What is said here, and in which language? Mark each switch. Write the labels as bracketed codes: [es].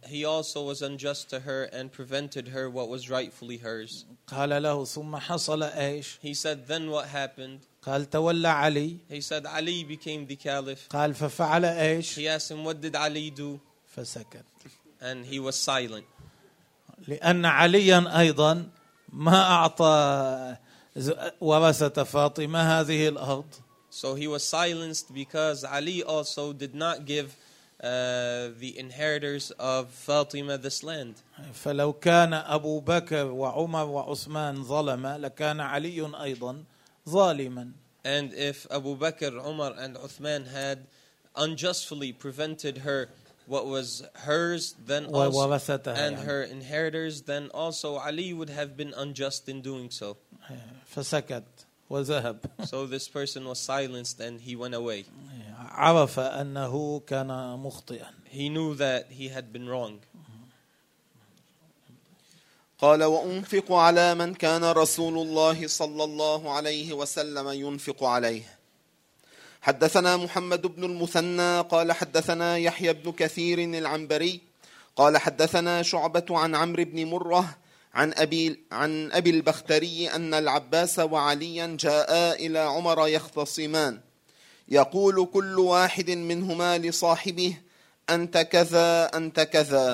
[en] He also was unjust to her and prevented her what was rightfully hers. [ar] قال له ثم حصل إيش؟ [en] He said then what happened? [ar] قال تولى علي. [en] He said Ali became the caliph. [ar] قال ففعل إيش؟ [en] He asked him what did Ali do? [ar] فسكت. [en] And he was silent. [ar] لأن عليا أيضا ما أعطى ورثة فاطمة هذه الأرض. [en] So he was silenced because Ali also did not give the inheritors of Fatima this land. [ar] فلو كان أبو بكر وعمر وعثمان ظلما لكان علي أيضا ظالما. [en] And if Abu Bakr, Umar and Uthman had unjustly prevented her what was hers, then [ar] وورثتها and يعني. [en] Her inheritors, then also Ali would have been unjust in doing so. [ar] فسكت. وذهب. [en] So this person was silenced and he went away. [ar] عرف أنه كان مخطئا. [en] He knew that he had been wrong. [ar] قال وأنفق على من كان رسول الله صلى الله عليه وسلم ينفق عليه. حدثنا محمد بن المثنى قال حدثنا يحيى بن كثير العنبري قال حدثنا شعبة عن عمرو بن مرة عن أبي البختري أن العباس وعليا جاءا إلى عمر يختصمان يقول كل واحد منهما لصاحبه أنت كذا أنت كذا.